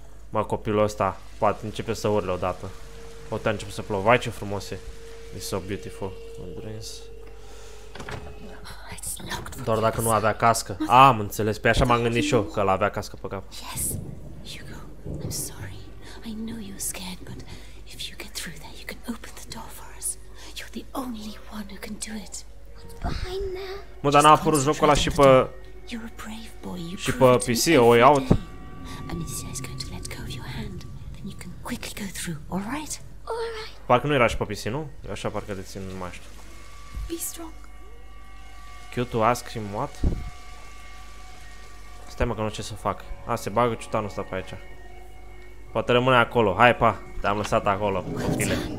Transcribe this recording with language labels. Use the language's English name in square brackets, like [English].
[Romanian] Mă, copilul ăsta poate începe să urle odată. Poate începe să plouă. Vai, ce frumos e. [English] It's so beautiful. My dreams. [Romanian] Doar dacă nu avea cască. Ah, am înțeles. Pe așa m-am gândit și eu că l-a avea cască pe cap. [English] Yes. Hugo, I'm sorry. I know you're scared, but if you get through there, you can open the door for us. You're the only one who can do it. What's behind there? [Romanian] Mă, dar n-a apărut jocul ăla și pe și pe PC, a way out. [English] Anisia is going to let go of your hand. Then you can quickly go through, all right? All right. [Romanian] Parcă nu era și pe PC, nu? Eu așa parcă de țin, nu mai știu. [English] Be strong. Q to ask him what? [Romanian] Stai mă că nu ce să fac. A, se bagă ciutanul ăsta pe aici. Poate rămâne acolo, hai pa. Te-am lăsat acolo, copile.